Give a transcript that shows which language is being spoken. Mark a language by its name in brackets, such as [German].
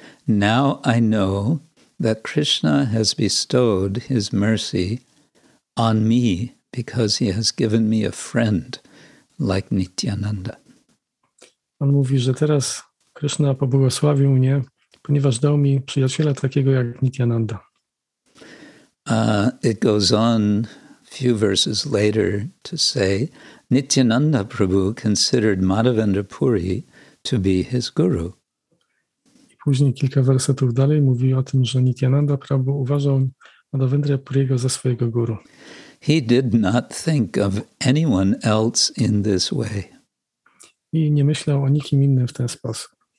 [English] Now I know that Krishna has bestowed his mercy on me because he has given me a friend like Nityananda. [Polish] On mówi, że teraz Krishna pobłogosławił mnie, ponieważ dał mi przyjaciela takiego jak Nityananda. [English] It goes on few verses later to say, Nityananda Prabhu considered Madhavendra Puri to be his guru. [Polish] I później kilka wersetów dalej mówi o tym, że Nityananda Prabhu uważał Madhavendra Puriego za swojego guru. [English] He did not think of anyone else in this way. [Polish] I nie myślał o nikim innym w ten sposób.